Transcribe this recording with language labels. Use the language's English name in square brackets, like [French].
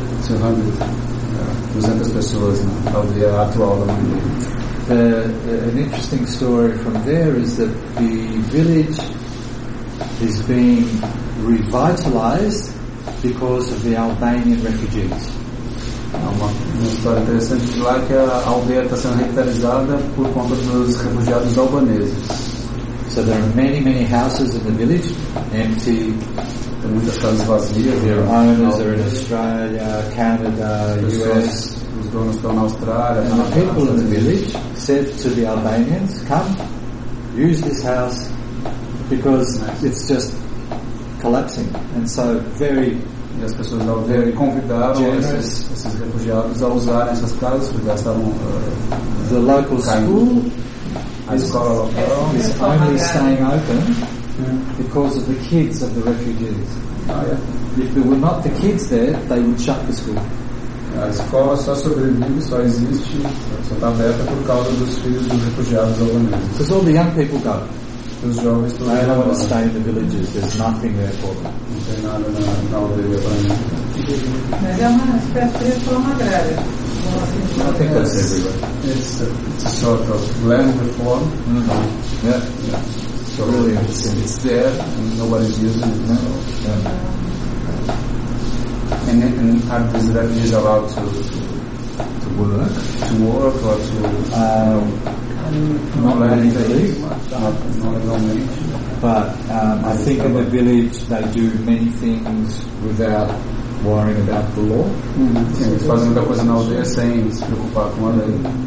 [Portuguese] 200. 200 pessoas na aldeia atual da mãe dele. [English] An interesting story from there is that the village is being revitalized because of the Albanian refugees. [Portuguese] Uma história interessante de lá é que a aldeia está sendo revitalizada por conta dos refugiados albaneses. [English] So there are many, many houses in the village empty. [Portuguese] Tem muitas casas vazias. [English] Their owners are in Australia, Canada, US. [Portuguese] Os donos estão na Austrália. [English] And the people in the village said to the Albanians, come, use this house, because it's just collapsing. And so very [Portuguese] e as pessoas da aldeia convidaram esses refugiados a usar essas casas porque já estavam [English] the local school, [Portuguese] a escola local [English] is only staying open because of the kids of the refugees. Oh, yeah. If there were not the kids there, they would shut the school. [Portuguese] A escola só sobrevive, só existe, só está aberta por causa dos filhos dos refugiados albaneses. [English] Because all the young people go. [Portuguese] Os jovens estão indo. [English] They don't want to stay in the villages. There's nothing there for them. [Portuguese] Não tem nada na aldeia para eles. Mas é uma espécie de reforma agrária. [English] I think that's everywhere. It's a sort of land reform. Mm-hmm. Yeah. Yeah. So really interesting. It's there and nobody's using it now. Yeah. And are these refugees allowed to work? To work or to not learn English? Not at all. But I think in the village they do many things without worrying about the law. [Portuguese] Eles fazem muita coisa na aldeia sem se preocupar com a lei.